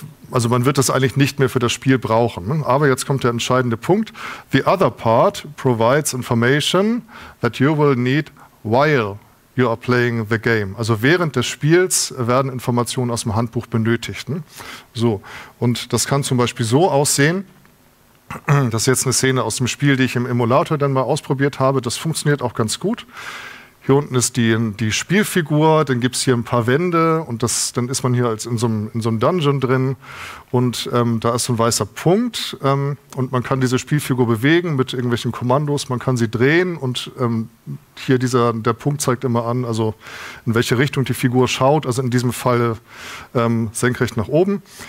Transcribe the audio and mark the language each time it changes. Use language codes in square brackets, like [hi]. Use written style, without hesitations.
[de] Also man wird das eigentlich nicht mehr für das Spiel brauchen. Ne? Aber jetzt kommt der entscheidende Punkt. [en] The other part provides information that you will need while you are playing the game. [de] Also während des Spiels werden Informationen aus dem Handbuch benötigt. Ne? So, und das kann zum Beispiel so aussehen, das ist jetzt eine Szene aus dem Spiel, die ich im Emulator dann mal ausprobiert habe, das funktioniert auch ganz gut. Hier unten ist die Spielfigur, dann gibt es hier ein paar Wände und dann ist man hier als in so einem Dungeon drin und da ist so ein weißer Punkt und man kann diese Spielfigur bewegen mit irgendwelchen Kommandos, man kann sie drehen und hier der Punkt zeigt immer an, also in welche Richtung die Figur schaut, also in diesem Fall senkrecht nach oben.